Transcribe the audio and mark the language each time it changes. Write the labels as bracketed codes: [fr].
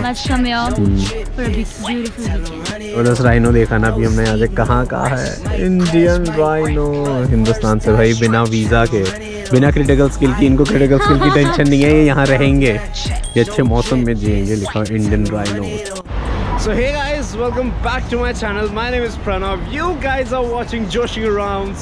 [en] Must come here for a beautiful weekend. [hi] और उस rhino देखा ना अभी हमने आज कहाँ कहा है? इंडियन राइनो हिंदुस्तान से भाई बिना वीजा के बिना क्रिटिकल स्किल की इनको क्रिटिकल स्किल की टेंशन नहीं है ये यहाँ रहेंगे ये अच्छे मौसम में जिएंगे लिखा Indian rhino. [en] So hey guys, welcome back to my channel. My name is Pranav. You guys are watching Joshing Around.